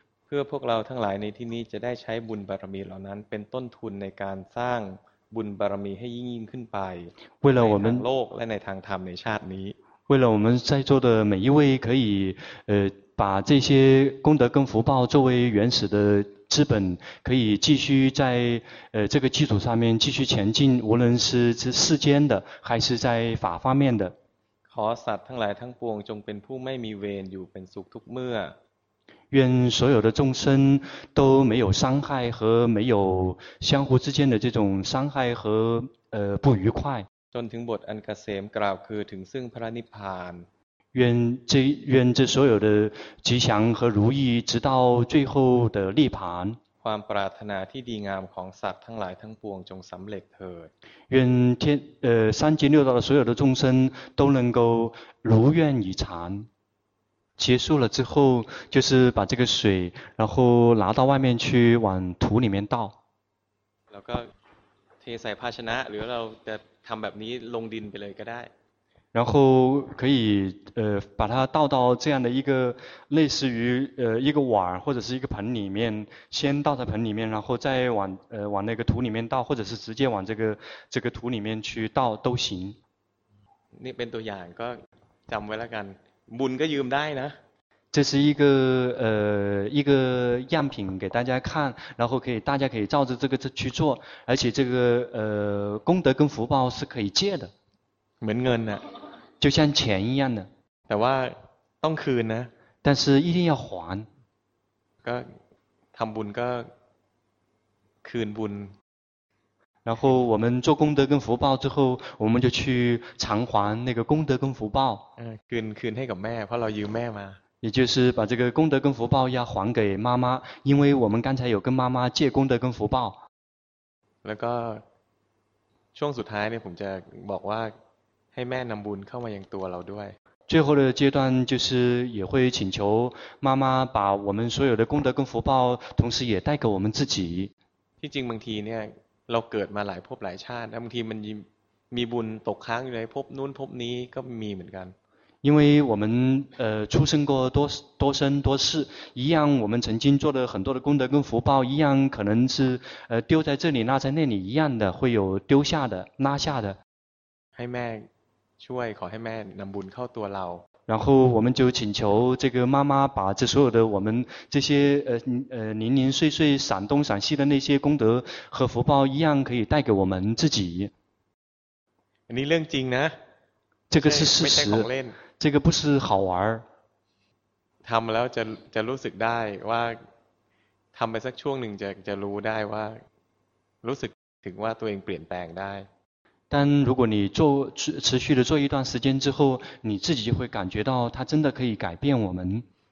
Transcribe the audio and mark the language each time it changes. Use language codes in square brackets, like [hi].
[th] เพื่อพวกเราทั้งหลายในที่นี้จะได้ใช้บุญบารมีเหล่านั้นเป็นต้นทุนในการสร้างบุญบารมีให้ยิ่งขึ้นไปในทางโลกและในทางธรรมในชาตินี้ [zh] 为了我们在座的每一位可以把这些功德跟福报作为原始的资本可以继续在这个基础上面继续前进无论是世间的还是在法方面的 [th] ขอสัตว์ทั้งหลายทั้งปวงจงเป็นผู้ไม่มีเวรอยู่เป็นสุขทุกเมื่อ [zh] 愿所有的众生都没有伤害和没有相互之间的这种伤害和不愉快 [th] จนถึงบทอันเกษมกล่าวคือถึงซึ่งพระนิพพาน [zh] 愿这所有的吉祥和如意直到最后的涅槃 [th] ความปรารถนาที่ดีงามของสัตว์ทั้งหลายทั้งปวงจงสำเร็จเถิด [zh] 愿天三界六道的所有的众生都能够如愿以偿结束了之后就是把这个水然后拿到外面去往土里面倒 [th] แล้วก็เทใส่ภาชนะหรือเราจะทำแบบนี้ลงดินไปเลยก็ได้ [zh] 然后可以把它倒到这样的一个类似于一个碗或者是一个盆里面先倒在盆里面然后再往那个土里面倒或者是直接往这个土里面去倒都行 [th] นี่เป็นตัวอย่างก็จำไว้แล้วกันบุญก็ยืมได้นะ [zh] 这是一个样品给大家看，然后可以大家可以照着这个去做，而且这个功德跟福报是可以借的。 [th] เหมือนเงินน่ะ [zh] 就像钱一样的。 [th] แต่ว่าต้องคืนนะ [zh] 但是一定要还。 [th] ก็ทำบุญก็คืนบุญ [zh] 然后我们做功德跟福报之后，我们就去偿还那个功德跟福报。 [th] คืนให้กับแม่เพราะเรายืมแม่มา [zh] 也就是把这个功德跟福报要还给妈妈，因为我们刚才有跟妈妈借功德跟福报。 [th] แล้วก็ช่วงสุดท้ายเนี่ยผมจะบอกว่าให้แม่นำบุญเข้ามายังตัวเราด้วย [zh] 最后的阶段就是也会请求妈妈把我们所有的功德跟福报，同时也带给我们自己。 [th] ที่จริงบางทีเนี่ยเราเกิดมาหลายภพหลายชาติแล้วบางทีมันมีบุญตกค้างอยู่ในภพนู้นภพนี้ก็มีเหมือนกัน [zh] 因为我们出生过多生多世一样我们曾经做了很多的功德跟福报一样可能是丢在这里拉在那里一样的会有丢下的拉下的 [th] ให้แม่ช่วยขอให้แม่นำบุญเข้าตัวเรา [zh] 然后我们就请求这个妈妈把这所有的我们这些零零碎碎闪东闪西的那些功德和福报一样可以带给我们自己 [th] 你เรื่องจริงนะ [zh] 这个是事实这个不是好玩 [th] ทำแล้วจะรู้สึกได้ว่าทำไปสักช่วงหนึ่งจะรู้ได้ว่ารู้สึกถึงว่าตัวเองเปลี่ยนแปลงได้ [zh] 但如果你做持续的做一段时间之后，你自己就会感觉到它真的可以改变我们。